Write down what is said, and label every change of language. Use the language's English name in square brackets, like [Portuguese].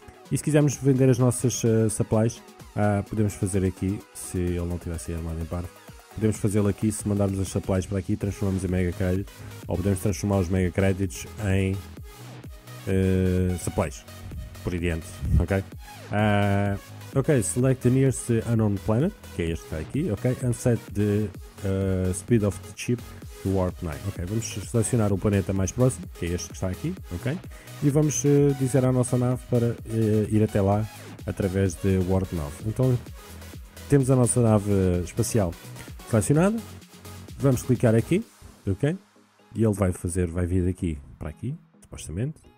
[Portuguese] E se quisermos vender as nossas supplies, podemos fazer aqui, se ele não tivesse armado em par, podemos fazê-lo aqui, se mandarmos as supplies para aqui, transformamos em mega crédito, ou podemos transformar os mega créditos em supplies, por adiante, ok? Ok, [English] select the nearest unknown planet, [Portuguese] que é este que está aqui, ok? [English] And set the speed of the ship to warp 9. [Portuguese] Ok, vamos selecionar o planeta mais próximo, que é este que está aqui, ok? E vamos dizer à nossa nave para ir até lá através de warp 9. Então, temos a nossa nave espacial selecionada. Vamos clicar aqui, ok? E ele vai vir daqui para aqui, supostamente.